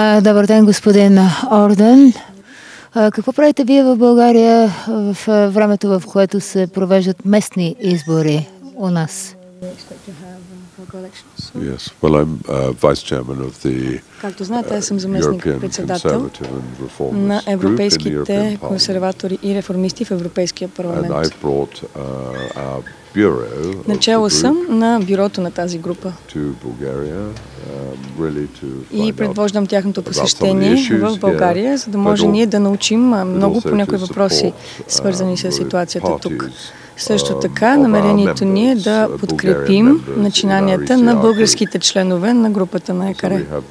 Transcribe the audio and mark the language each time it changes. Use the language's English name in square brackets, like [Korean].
[Bulgarian] Добър ден, господин Орден. Какво правите вие в България в времето, в което се провеждат местни избори у нас? [English] Yes. Well, I'm vice chairman of the European Conservative and Reformist [Bulgarian] на европейските консерватори и реформисти в Европейския парламент. [English] And I've brought our bureau. [Bulgarian] Начело съм на бюрото на тази група. [English] To Bulgaria, really to [Bulgarian] и предвождам тяхното посещение в България, за да може ние да научим много по някои въпроси, свързани с ситуацията тук. Също така, намерението ни е да подкрепим начинанията на българските членове на групата на ЕКР.